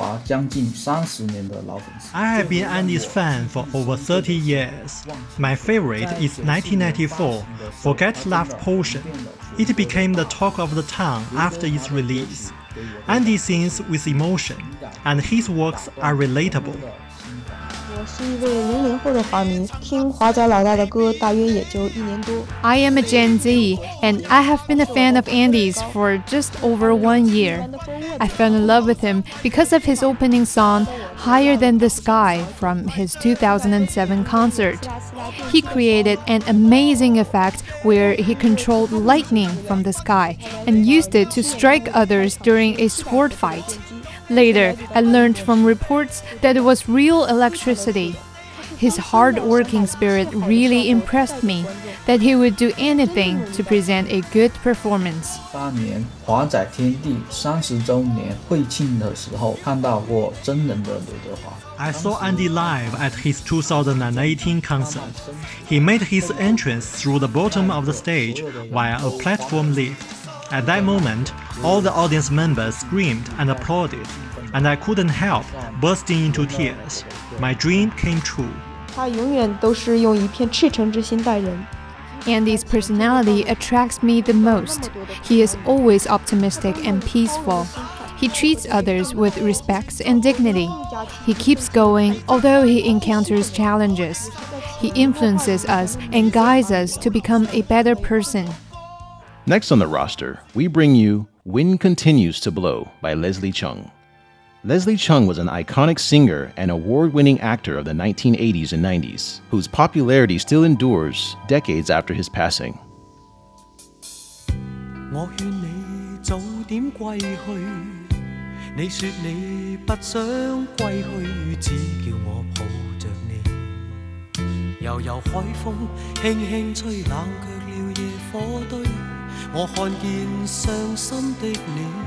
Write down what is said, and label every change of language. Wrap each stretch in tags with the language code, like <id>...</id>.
<zh>我是一位喜欢刘德华将近30年的老粉丝。</zh> <en>I have been Andy's fan for over 30 years. My favorite is 1994, Forget Love Potion. It became the talk of the town after its release. Andy sings with emotion, and his works are relatable.</en> <zh>我是一位00后的华迷，听华仔老大的歌大约也就一年多。</zh> <en>I am a Gen Z, and I have been a fan of Andy's for just over 1 year. I fell in love with him because of his opening song, Higher Than the Sky, from his 2007 concert. He created an amazing effect where he controlled lightning from the sky and used it to strike others during a sword fight. Later, I learned from reports that it was real electricity. his hard-working spirit really impressed me, that he would do anything to present a good performance.</en> <zh>2008年华仔天地30周年会庆的时候，看到过真人的刘德华。</zh> <en>I saw Andy live at his 2018 concert. He made his entrance through the bottom of the stage via a platform lift. At that moment, all the audience members screamed and applauded, and I couldn't help bursting into tears. My dream came true.</en> <zh>他永远都是用一片赤诚之心待人。</zh> <en>Andy's personality attracts me the most. He is always optimistic and peaceful. He treats others with respect and dignity. He keeps going, although he encounters challenges. He influences us and guides us to become a better person. Next on the roster, we bring you Wind Continues to Blow by Leslie Cheung. Leslie Cheung was an iconic singer and award-winning actor of the 1980s and 90s, whose popularity still endures decades after his passing.</en> <zh>我劝你早点归去，你说你不想归去，只叫我抱着你。悠悠海风轻轻吹，冷却了夜火堆，我看见伤心的你。</zh>